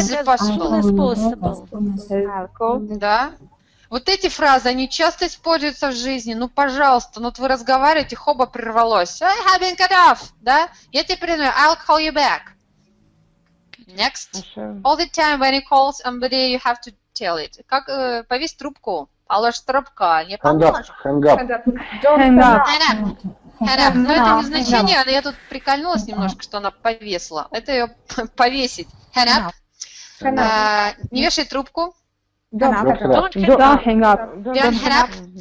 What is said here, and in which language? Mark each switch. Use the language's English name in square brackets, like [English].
[English] I'll call you back as soon as possible. [Russian] Да? Вот эти фразы, они часто используются в жизни. Ну, пожалуйста, ну вот вы разговариваете, хоба, прервалось. [English] I have been cut off. Да? [Russian] Я тебе передаю. [English] I'll call you back. Next. All the time when you call somebody, you have to tell it. [Russian] Как повесь трубку. Положь трубку, не поможешь. [English] Hang up. [Russian] Но это не значение, но я тут прикольнулась немножко, что она повесила. Это ее повесить. [English] Hang up. [Russian] Не вешай трубку. [English] Don't hang up.